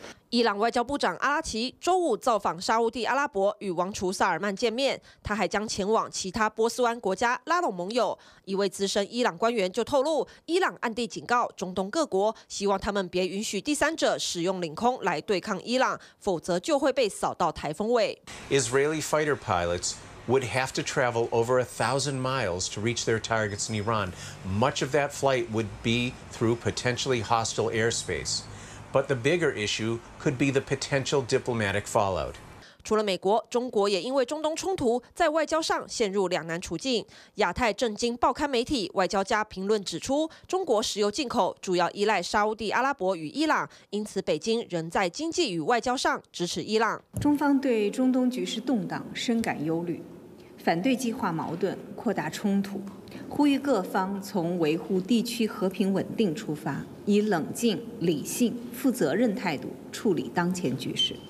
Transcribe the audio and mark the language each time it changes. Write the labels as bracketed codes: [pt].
[zh] 伊朗外交部长阿拉奇周五造访沙烏地阿拉伯，与王储萨尔曼见面，他还将前往其他波斯湾国家拉拢盟友。一位资深伊朗官员就透露，伊朗暗地警告中东各国，希望他们别允许第三者使用领空来对抗伊朗，否则就会被扫到台风尾。 [en] Israeli fighter pilots would have to travel over 1,000 miles to reach their targets in Iran. Much of that flight would be through potentially hostile airspace. But the bigger issue could be the potential diplomatic fallout. [zh] 除了美国，中国也因为中东冲突在外交上陷入两难处境。亚太政经报刊媒体《外交家》评论指出，中国石油进口主要依赖沙烏地阿拉伯与伊朗，因此北京仍在经济与外交上支持伊朗。中方对中东局势动荡深感忧虑，反对激化矛盾、扩大冲突，呼吁各方从维护地区和平稳定出发，以冷静、理性、负责任态度处理当前局势。